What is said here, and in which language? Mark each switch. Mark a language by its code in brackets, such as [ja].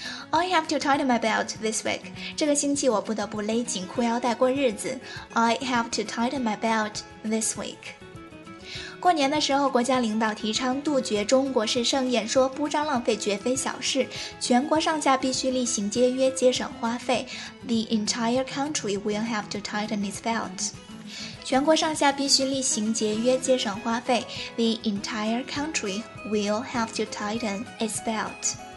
[en] I have to tighten my belt this week. [zh] 这个星期我不得不勒紧裤腰带过日子。 [en] I have to tighten my belt this week. [zh] 过年的时候，国家领导提倡杜绝中国式盛宴，说铺张浪费绝非小事，全国上下必须例行节约，节省花费。 [en] The entire country will have to tighten its belt. [zh] 全国上下必须例行节约，节省花费。 [en] The entire country will have to tighten its belt.